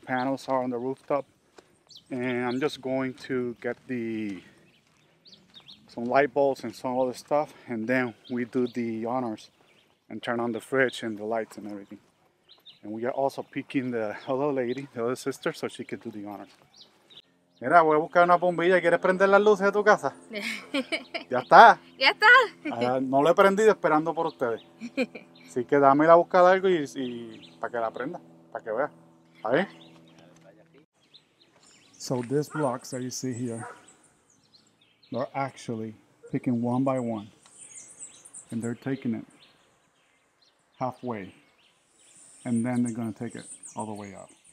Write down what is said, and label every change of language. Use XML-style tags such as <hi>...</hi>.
<en>The panels are on the rooftop and I'm just going to get some light bulbs and some other stuff. And then we do the honors and turn on the fridge and the lights and everything. And we are also picking the other lady, the other sister, so she could do the honors.</en> <es>Mira, voy a buscar una bombilla. ¿Quieres prender las luces de tu casa? Ya está. Ya está. No lo he prendido esperando por ustedes. Así que dame ir a buscar algo y para que la prenda, para que vea. ¿Está bien?</es> <en>So these blocks that you see here, they're actually picking one by one. And they're taking it halfway. And then they're going to take it all the way up.</en>